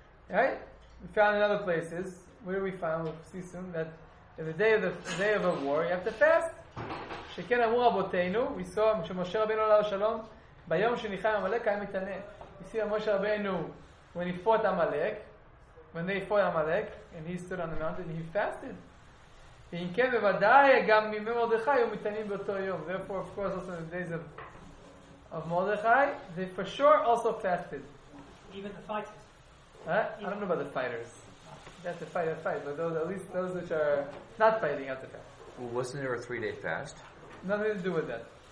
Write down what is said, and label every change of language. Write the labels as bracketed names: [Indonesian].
[English] Right? We found in other places, where we found, we'll see soon, that in the day of a war, you have to fast. [Hebrew] שכן אמור רבותינו, [English] we saw [Hebrew] שמשה רבינו עליו שלום, ביום שניחם עמלק היה מתענה. [English] We see משה רבינו, when he fought עמלק, when they fought עמלק, and he stood on the mountain, he fasted. [Hebrew] ואם כן, בוודאי, גם מימי מרדכי היו מתענים באותו יום. [English] Therefore, of course, also in the days of מרדכי, they for sure also fasted. Even the fighters. Huh? Even I don't know about the fighters. They have to fight, but those, at least those which are not fighting have to fast. Well, wasn't there a 3-day fast? Nothing to do with that.